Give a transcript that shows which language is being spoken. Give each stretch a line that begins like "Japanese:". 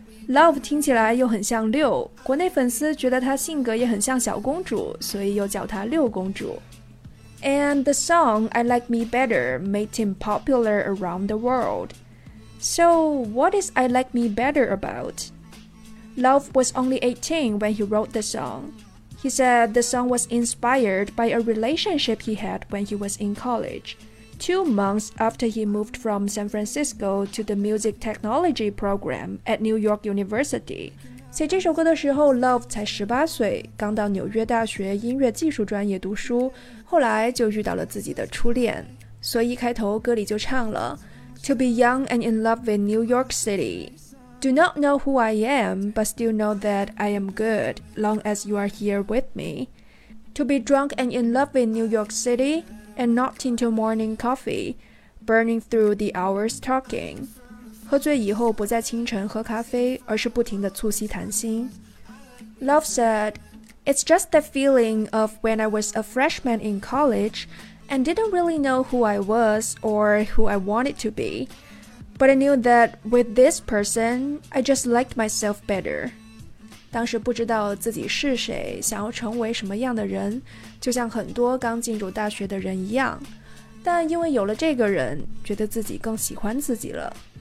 Chinese: love 听起来又很像六，国内粉丝觉得他性格也很像小公主，所以又叫他六公主。
English: And the song I Like Me Better made him popular around the world. So what is I Like Me Better aboutLove was only 18 when he wrote the song. He said the song was inspired by a relationship he had when he was in college, 2 months after he moved from San Francisco to the music technology program at New York University.
Chinese: 写这首歌的时候 ,Love 才18岁,刚到纽约大学音乐技术专业读书,后来就遇到了自己的初恋。所以一开头歌里就唱了
English: To be young and in love with New York City. Do not know who I am, but still know that I am good, long as you are here with me. To be drunk and in love with New York City, and not into morning coffee, burning through the hours talking.
Chinese: 喝醉以后不再清晨喝咖啡，而是不停地促膝谈心。
English: Love said, It's just the feeling of when I was a freshman in college, and didn't really know who I was or who I wanted to be. But I knew that with this person, I just liked myself better.
Chinese: 当时不知道自己是谁，想要成为什么样的人，就像很多刚进入大学的人一样。但因为有了这个人，觉得自己更喜欢自己了。